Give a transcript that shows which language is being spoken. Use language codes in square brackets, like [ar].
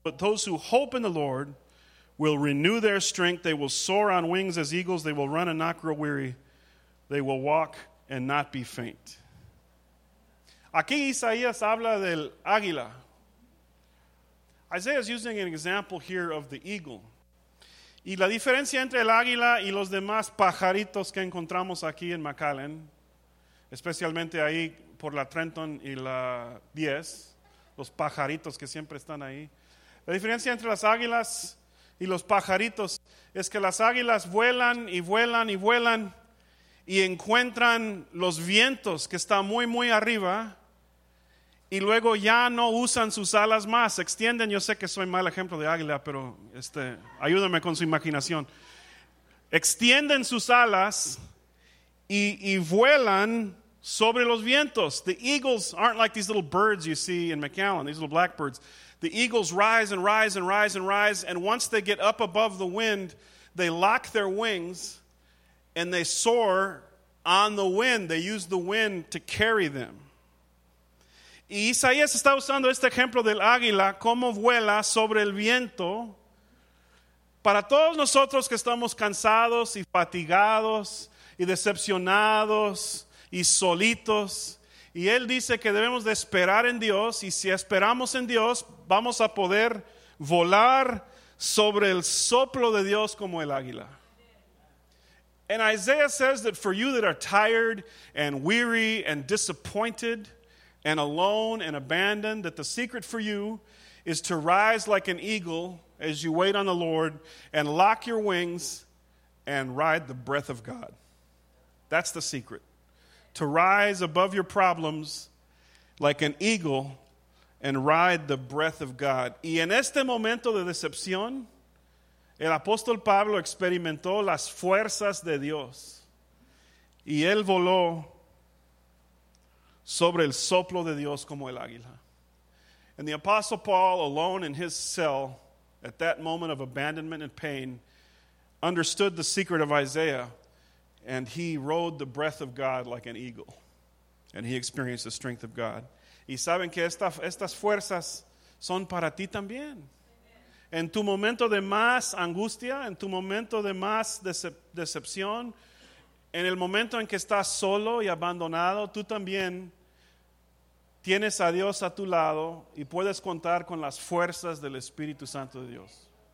[en] But those who hope in the Lord will renew their strength. They will soar on wings as eagles. They will run and not grow weary. They will walk and not be faint. [es] Aquí Isaías habla del águila. [en] Isaiah is using an example here of the eagle. [es] Y la diferencia entre el águila y los demás pajaritos que encontramos aquí en McAllen, especialmente ahí por la Trenton y la 10, los pajaritos que siempre están ahí. La diferencia entre las águilas y los pajaritos es que las águilas vuelan y vuelan y vuelan y encuentran los vientos que están muy, muy arriba. Y luego ya no usan sus alas más, extienden. Yo sé que soy mal ejemplo de águila, pero ayúdame con su imaginación. Extienden sus alas y vuelan sobre los vientos. [en] The eagles aren't like these little birds you see in McAllen, these little blackbirds. The eagles rise and rise and rise and rise, and once they get up above the wind, they lock their wings and they soar on the wind. They use the wind to carry them. [es] Y Isaías está usando este ejemplo del águila, cómo vuela sobre el viento. Para todos nosotros que estamos cansados y fatigados y decepcionados y solitos. Y él dice que debemos de esperar en Dios, y si esperamos en Dios, vamos a poder volar sobre el soplo de Dios como el águila. [en] And Isaiah says that for you that are tired and weary and disappointed and alone and abandoned, that the secret for you is to rise like an eagle as you wait on the Lord and lock your wings and ride the breath of God. That's the secret. To rise above your problems like an eagle and ride the breath of God. [es] Y en este momento de decepción, el apóstol Pablo experimentó las fuerzas de Dios. Y él voló sobre el soplo de Dios como el águila. [en] And the apostle Paul, alone in his cell, at that moment of abandonment and pain, understood the secret of Isaiah. And he rode the breath of God like an eagle. And he experienced the strength of God. [es] Y saben que estas fuerzas son para ti también. En tu momento de más angustia, en tu momento de más decepción, en el momento en que estás solo y abandonado, tú también tienes a Dios a tu lado y puedes contar con las fuerzas del Espíritu Santo de Dios.